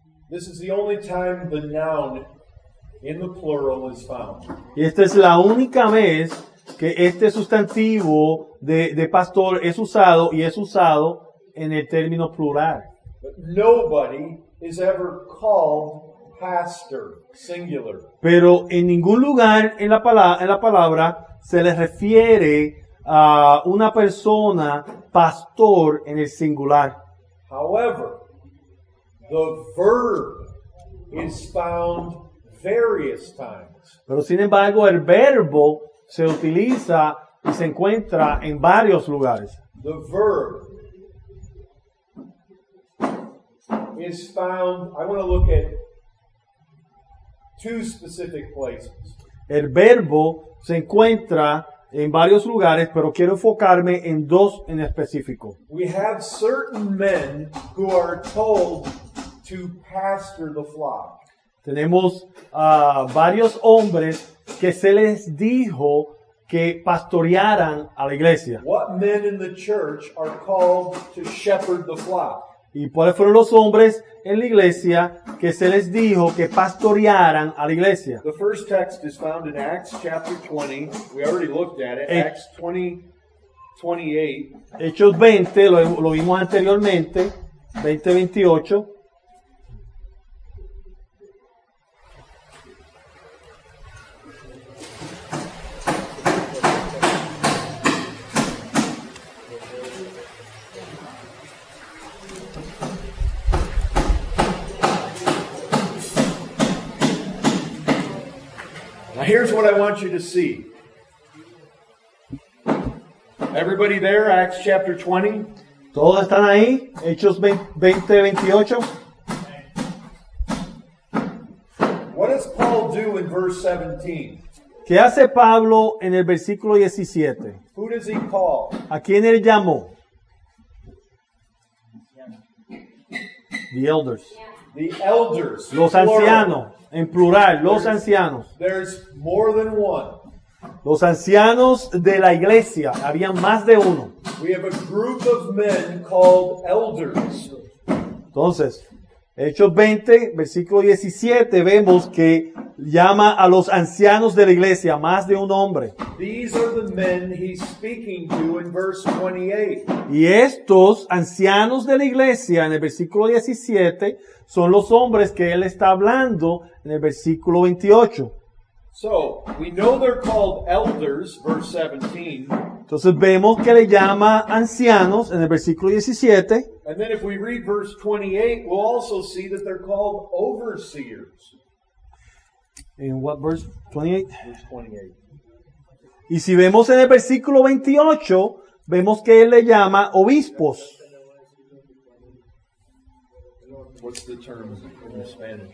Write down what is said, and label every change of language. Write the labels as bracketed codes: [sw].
[en] This is the only time the noun in the plural is found. [es] Y esta es la única vez que este sustantivo de pastor es usado, y es usado en el término plural. [en] But nobody is ever called pastor, singular. [es] Pero en ningún lugar en la palabra se le refiere a una persona pastor en el singular. [en] However, the verb is found various times. [es] Pero sin embargo, el verbo se utiliza y se encuentra en varios lugares. [en] The verb is found, I want to look at two specific places. [es] El verbo se encuentra en varios lugares, pero quiero enfocarme en dos en específico. [en] We have certain men who are told to pastor the flock. [es] Tenemos varios hombres que se les dijo que pastorearan a la iglesia. [en] What men in the church are called to shepherd the flock? [es] ¿Y cuáles fueron los hombres en la iglesia que se les dijo que pastorearan a la iglesia? [en] The first text is found in Acts chapter 20. We already looked at it. Acts 20, 28. [es] Hechos 20, lo vimos anteriormente. 20, 28. [en] Here's what I want you to see. Everybody there, Acts chapter 20. [es] ¿Todos están ahí? Hechos 20, 28. [en] What does Paul do in verse 17? [es] ¿Qué hace Pablo en el versículo 17? [en] Who does he call? [es] ¿A quién él llamó? [en] The elders. The elders. [es] Los ancianos. En plural, los there's, ancianos. [en] There's more than one. [es] Los ancianos de la iglesia, había más de uno. [en] We have a group of men called elders. [es] Entonces, Hechos 20, versículo 17, vemos que llama a los ancianos de la iglesia, más de un hombre. [en] These are the men he's speaking to in verse 28. [es] Y estos ancianos de la iglesia, en el versículo 17, son los hombres que él está hablando en el versículo 28. [en] So, we know they're called elders, verse 17. [es] Entonces vemos que le llama ancianos en el versículo 17. [en] And then if we read verse 28, we'll also see that they're called overseers. In what verse 28? Verse [es] 28. Y si vemos en el versículo 28, vemos que él le llama obispos. [en] What's the term in Spanish?